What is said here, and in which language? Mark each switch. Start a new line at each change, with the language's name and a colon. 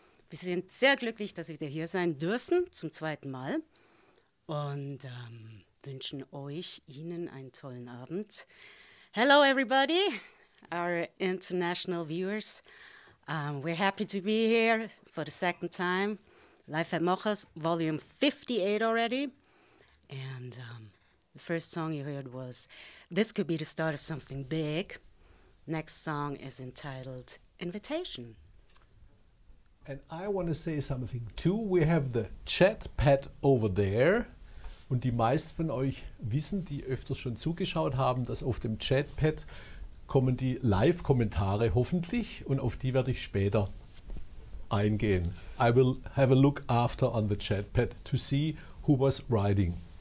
German: Wir sind sehr glücklich, dass wir hier sein dürfen zum zweiten Mal und wünschen euch, Ihnen einen tollen Abend.
English: Hello everybody, our international viewers. We're happy to be here for the second time. Live at Mochers, Volume 58 already. And the first song you heard was This Could Be the Start of Something Big. Next song is entitled Invitation. And I want to say something too. We have the chat pad over there.
German: Und die meisten von euch wissen, die öfters schon zugeschaut haben, dass auf dem Chatpad kommen die Live-Kommentare hoffentlich und auf die werde ich später eingehen.
English: I will have a look after on the Chatpad to see who was writing.